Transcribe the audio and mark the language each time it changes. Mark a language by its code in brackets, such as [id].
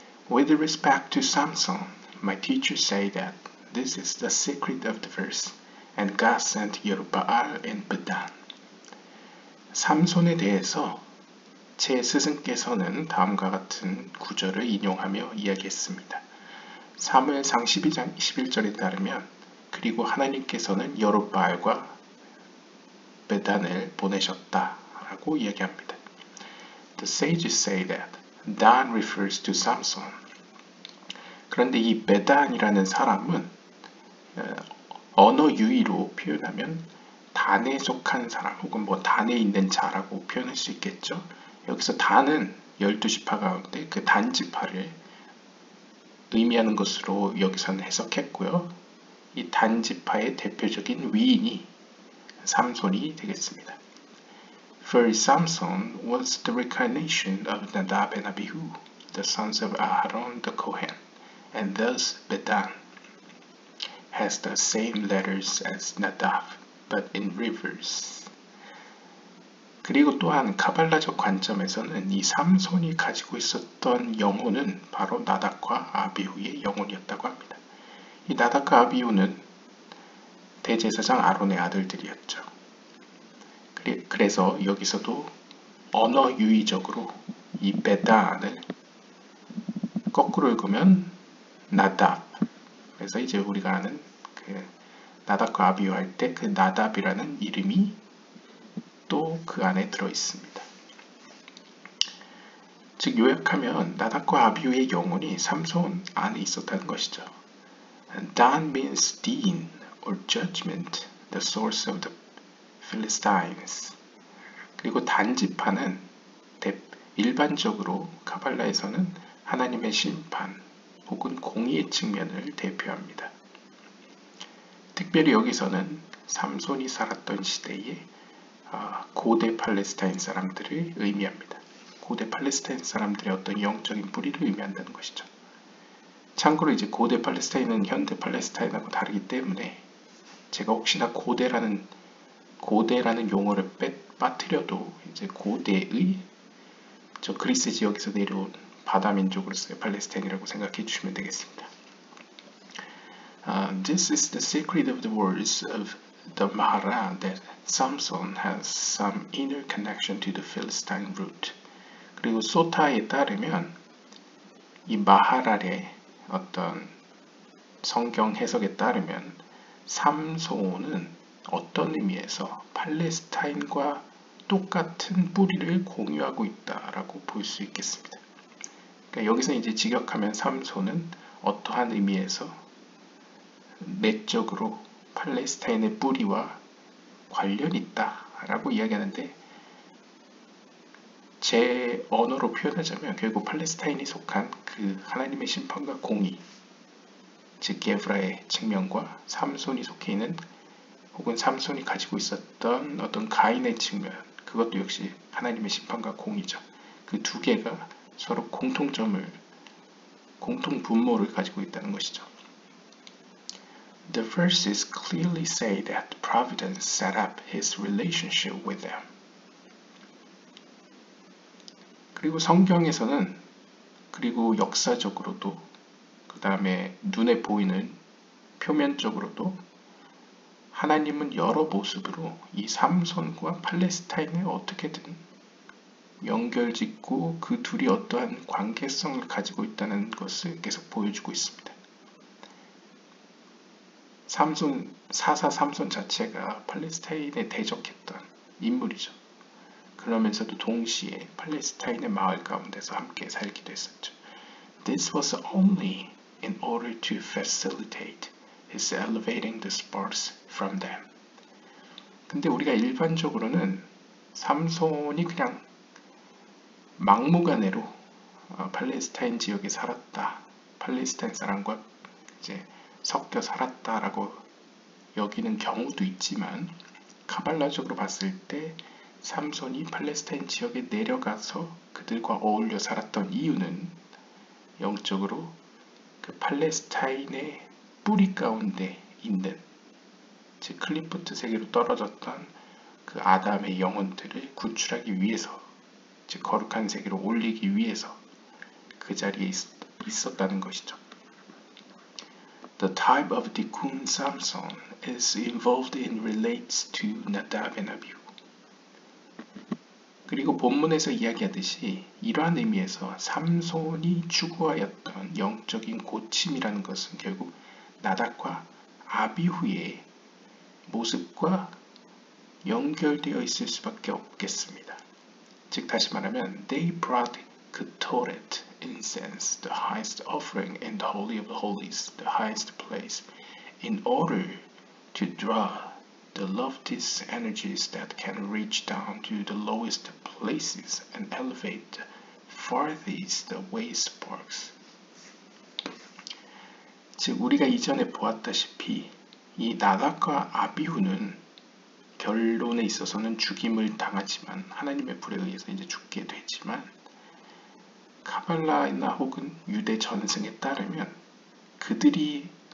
[en] With respect to Samson, my teacher say that this is the secret of the verse and God sent Yerubbaal and Bedan. [ko] 삼손에 대해서 제 스승께서는 다음과 같은 구절을 인용하며 이야기했습니다. 사무엘상 12장 21절에 따르면 그리고 하나님께서는 여룹바알과 베단을 보내셨다 라고 이야기합니다. [en] The sages say that Dan refers to Samson. [ko] 그런데 이 베단이라는 사람은 언어 유의로 표현하면 단에 속한 사람 혹은 뭐 단에 있는 자라고 표현할 수 있겠죠. 여기서 단은 12지파 가운데 그 단지파를 의미하는 것으로 여기서는 해석했고요. 이 단지파의 대표적인 위인이 삼손이 되겠습니다. [en] For Samson was the reincarnation of Nadab and Abihu, the sons of Aaron the Kohen, and thus Bedan has the same letters as Nadab, but in reverse. [ko] 그리고 또한 카발라적 관점에서는 이 삼손이 가지고 있었던 영혼은 바로 나답과 아비후의 영혼이었다고 합니다. 이 나답과 아비후는 대제사장 아론의 아들들이었죠. 그래서 여기서도 언어 유의적으로 이 베단을 거꾸로 읽으면 나답. 그래서 이제 우리가 아는 그 나답과 아비후 할 때 그 나답이라는 이름이 또 그 안에 들어 있습니다. 즉 요약하면 나답과 아비후의 영혼이 삼손 안에 있었다는 것이죠. [en] Dan means Dean or Judgment, the source of the Philistines. [ko] 그리고 단지파는 일반적으로 카발라에서는 하나님의 심판 혹은 공의의 측면을 대표합니다. 특별히 여기서는 삼손이 살았던 시대에 고대 팔레스타인 사람들을 의미합니다. 고대 팔레스타인 사람들의 어떤 영적인 뿌리를 의미한다는 것이죠. 참고로 이제 고대 팔레스타인은 현대 팔레스타인하고 다르기 때문에 제가 혹시나 고대라는 용어를 빠뜨려도 이제 고대의 저 그리스 지역에서 내려온 바다 민족으로서의 팔레스타인이라고 생각해 주시면 되겠습니다. [en] This is the secret of the words of the Mahara that Samson has some inner connection to the Philistine root. [ko] 그리고 소타에 따르면 이 마하랄의 어떤 성경 해석에 따르면 삼손은 어떤 의미에서 팔레스타인과 똑같은 뿌리를 공유하고 있다라고 볼 수 있겠습니다. 그러니까 여기서 이제 직역하면 삼손은 어떠한 의미에서 내적으로 팔레스타인의 뿌리와 관련 있다라고 이야기하는데 제 언어로 표현하자면 결국 팔레스타인이 속한 그 하나님의 심판과 공의 즉 게브라의 측면과 삼손이 속해 있는 혹은 삼손이 가지고 있었던 어떤 가인의 측면 그것도 역시 하나님의 심판과 공의죠. 그 두 개가 서로 공통점을 공통 분모를 가지고 있다는 것이죠. [en] The verses clearly say that Providence set up his relationship with them. [ko] 그리고 성경에서는 그리고 역사적으로도 그 다음에 눈에 보이는 표면적으로도 하나님은 여러 모습으로 이 삼손과 팔레스타인을 어떻게든 연결짓고 그 둘이 어떠한 관계성을 가지고 있다는 것을 계속 보여주고 있습니다. 사사 삼손 자체가 팔레스타인에 대적했던 인물이죠. 그러면서도 동시에 팔레스타인의 마을 가운데서 함께 살기도 했었죠. [en] This was only in order to facilitate his elevating the spurs from them. [ko] 근데 우리가 일반적으로는 삼손이 그냥 막무가내로 팔레스타인 지역에 살았다. 팔레스타인 사람과 이제 섞여 살았다라고 여기는 경우도 있지만 카발라적으로 봤을 때 삼손이 팔레스타인 지역에 내려가서 그들과 어울려 살았던 이유는 영적으로 그 팔레스타인의 뿌리 가운데 있는 즉 클리프트 세계로 떨어졌던 그 아담의 영혼들을 구출하기 위해서 즉 거룩한 세계로 올리기 위해서 그 자리에 있었다는 것이죠. [en] The type of Tikkun Samson is involved in relates to Nadab and Abihu. [ko] 그리고 본문에서 이야기하듯이 이러한 의미에서 삼손이 추구하였던 영적인 고침이라는 것은 결국 나답과 아비후의 모습과 연결되어 있을 수밖에 없겠습니다. 즉 다시 말하면 [en] They brought ketoret incense, the highest offering in the holy of holies, the highest place, in order to draw the loftiest energies that can reach down to the lowest places and elevate the farthest away sparks. [ko] 즉 우리가 이전에 보았다시피 이 나답과 아비후는 결론에 있어서는 죽임을 당하지만 하나님의 불에 의해서 이제 죽게 되지만 카발라이나 혹은 유대 전승에 따르면 그들이